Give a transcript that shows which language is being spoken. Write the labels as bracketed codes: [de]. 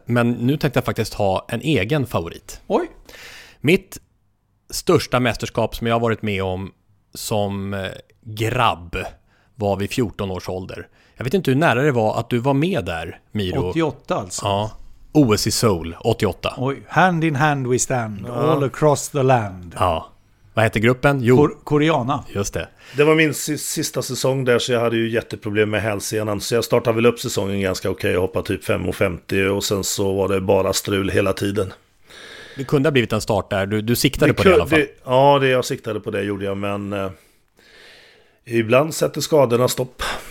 [sv] Men nu tänkte jag faktiskt ha en egen favorit. Oj. Mitt största mästerskap som jag har varit med om som grabb var vid 14 års ålder. Jag vet inte hur nära det var att du var med där, Miro. 88 alltså. Ja. OS i Seoul, 88. [en] Oj, hand in hand we stand, all across the land. [sv] Ja, vad heter gruppen? Jo. Koreana. Just det. Det var min sista säsong där, så jag hade ju jätteproblem med hälsenan. Så jag startade väl upp säsongen ganska okej, jag hoppade typ 5,50 och sen så var det bara strul hela tiden. Det kunde ha blivit en start där, du siktade det på det i alla fall. Jag siktade på det gjorde jag, men ibland sätter skadorna stopp.